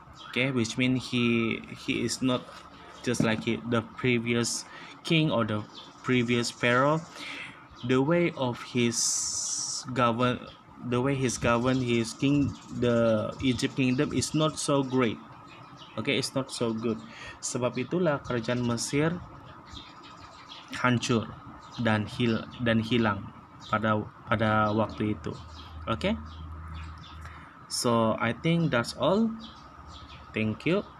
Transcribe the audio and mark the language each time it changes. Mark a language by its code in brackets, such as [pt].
[en] Okay, which mean he is not just like the previous king or the previous pharaoh. The way of his govern, the way he's governed his king, the Egypt kingdom is not so great. Okay, it's not so good. [ms] Sebab itulah kerajaan Mesir hancur dan hilang pada waktu itu. [en] Okay. So I think that's all. Thank you.